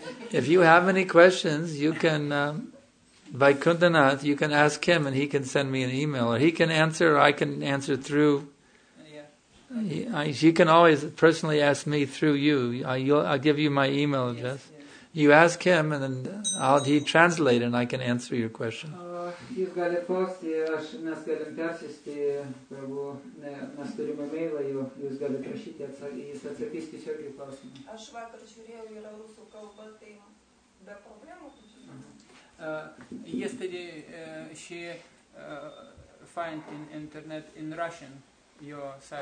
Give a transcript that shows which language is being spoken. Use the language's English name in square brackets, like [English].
[English] If you have any questions, you can, by Kundanath, you can ask him and he can send me an email. Or he can answer, or I can answer through. He can always personally ask me through you. I'll give you my email address. Yes. You ask him, and then he translate, and I can answer your question. [Lithuanian] Jis gali klausti, aš mes galim persiųsti, jeigu mes turime mailą, jūs gali prašyti, jis atsakys tiesiog į klausimą. Aš vakar žiūrėjau, yra rusų kalba, tai be problemų. [English] Yesterday she find in internet in Russian your site.